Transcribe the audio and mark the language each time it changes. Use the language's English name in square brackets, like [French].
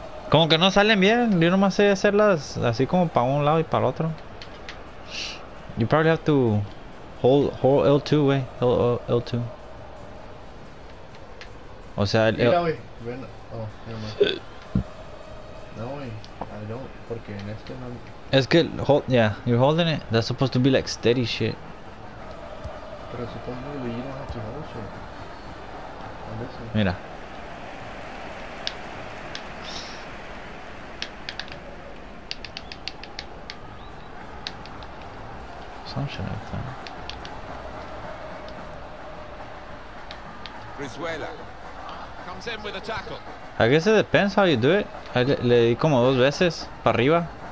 [Spanish] Como que no salen bien, yo nomás sé hacerlas así como para un lado y para el otro. [English] You probably have to hold L2, wey, L2. [Spanish] O sea, el [English] L2. Oh, yeah, no, wait, I don't, [Spanish] porque en este no... Es que, [English] hold, yeah, you're holding it? That's supposed to be like steady shit. [Spanish] Pero supongo que [English] you don't have to hold shit. [Spanish] Mira. [English] Some shit like that. Brizuela. Comes in with a tackle. I guess it depends how you do it. [Spanish] Le di como dos veces para arriba.